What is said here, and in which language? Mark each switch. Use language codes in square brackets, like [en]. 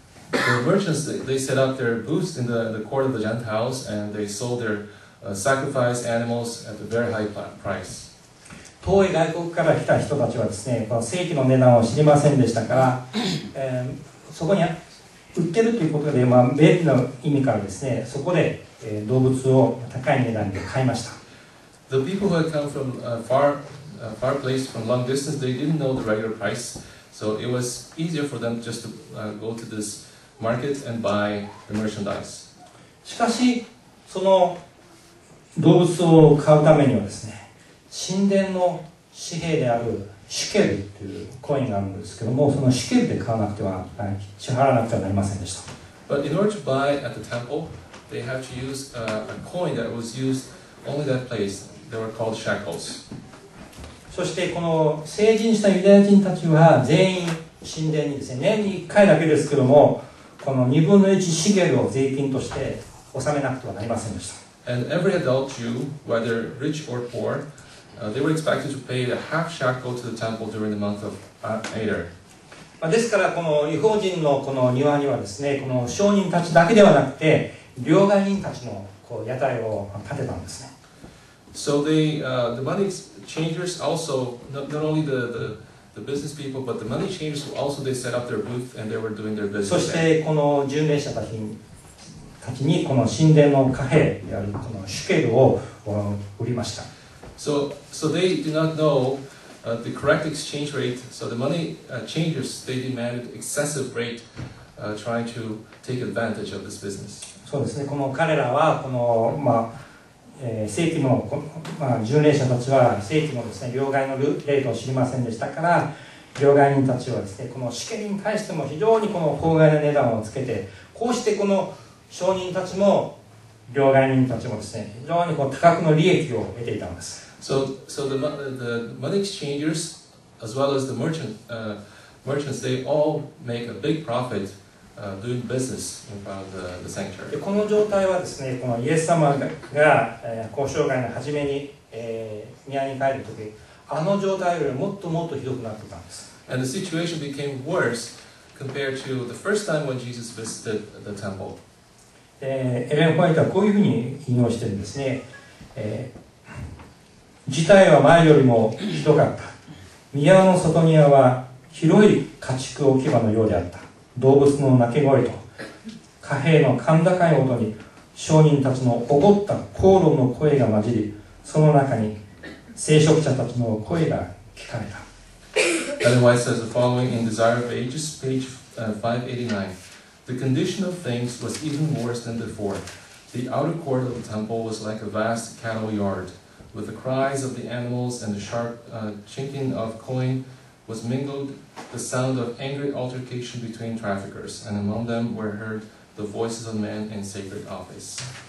[en] The merchants, they set up their booths in the court of the Gentiles and they sold their sacrificed animals at a very high price. [ja] 遠い外国から来た人たちはですね、この正規の値段を知りませんでしたから、そこに売ってるということで、まあ、便利な意味からですね、そこで、動物を高い値段で買いました。 [en] The people who had come from far place, from long distance, they didn't know the regular price, so it was easier for them just to go to this market and buy the merchandise. [ja] しかし、その動物を買うためにはですね、神殿の紙幣であるシケルというコインがあるんですけども、そのシケルで買わなくては、支払わなくてはなりませんでした。 [en] But in order to buy at the temple, they have to use a coin that was used only that place. They were called shekels. [ja] そしてこの成人したユダヤ人たちは全員神殿にですね、年に1回だけですけども、この2分の1シケルを税金として納めなくてはなりませんでした。 [en] And every adult Jew, whether rich or poor, they were expected to pay the half shekel to the temple during the month of Adar. [ja] ですからこの異邦人のこの庭にはですね、この商人たちだけではなくて、両替人たちもこう屋台を建てたんですね。 [en] So they, the money changers also, not only the business people, but the money changers also they set up their booth and they were doing their business. [ja] そしてこの巡礼者たちに。先にこの神殿の貨幣であるこのシケルを売りました。 [en] So they do not know the correct exchange rate. So the money changers they demanded excessive rate, trying to take advantage of this business. [ja] そうですね。この彼らはこのまあ正規のまあ巡礼者たちは正規のですね両替のレートを知りませんでしたから、両替人たちはですねこのシケルに対しても非常にこの法外な値段をつけて、こうしてこの商人たちも両替人たちもですね、非常にこう多額の利益を得ていたんです。 [en] So the money exchangers as well as the merchants they all make a big profit doing business in front of the sanctuary. [ja] この状態はですね、このイエス様が交渉会の初めに、宮に帰るとき、あの状態よりもっともっとひどくなっていたんです。 And the situation became worse compared to the first time when Jesus visited the temple. エレン・ホワイトはこういうふうに引用してるんですね、事態は前よりもひどかった。宮の外庭は広い家畜置き場のようであった。動物の鳴き声と貨幣の甲高い音に商人たちの怒った口論の声が混じり、その中に聖職者たちの声が聞かれた。 [en] エレン・ホワイト says the following in Desire of Ages, page 589. The condition of things was even worse than before. The outer court of the temple was like a vast cattle yard, with the cries of the animals and the sharp chinking of coin was mingled the sound of angry altercation between traffickers, and among them were heard the voices of men in sacred office.